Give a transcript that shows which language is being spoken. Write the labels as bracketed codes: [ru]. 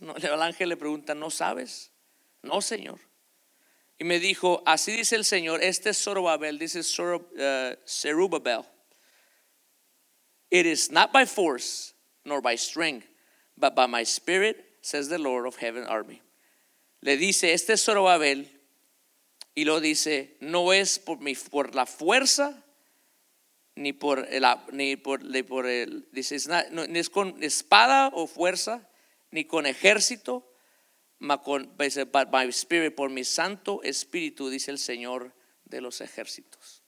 [es] El ángel le pregunta, ¿no sabes? No, señor. Y me dijo, así dice el señor, este es Zorobabel, [en] this is Zerubbabel. It is not by force nor by strength, but by my spirit, says the Lord of heaven's army. [es] Le dice, este es Zorobabel. Y lo dice, no es por la fuerza ni por el, ni por, ni por el, dice, no, ni es con espada o fuerza, ni con ejército, ma con, dice, [en] but my spirit, [es] por mi santo espíritu, dice el Señor de los ejércitos.